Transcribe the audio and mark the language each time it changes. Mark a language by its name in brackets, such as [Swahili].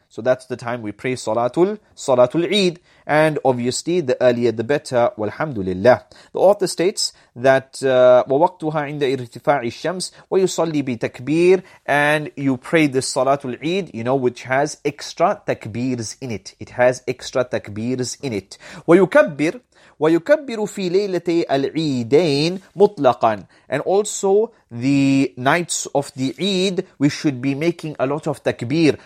[English] So that's the time we pray Salatul Eid. And obviously, the earlier the better, walhamdulillah. The author states that, [Arabic] وَوَقْتُهَا عِنْدَ إِرْتِفَاعِ الشَّمْسِ وَيُصَلِّي بِتَكْبِيرٍ. [English] And you pray this Salatul Eid, you know, which has extra takbirs in it. It has extra takbirs in it. [Arabic] وَيُكَبِّرُ فِي لَيْلَتَي الْعِيدَيْنِ مُطْلَقًا. [English] And also, the nights of the Eid, we should be making a lot of takbir.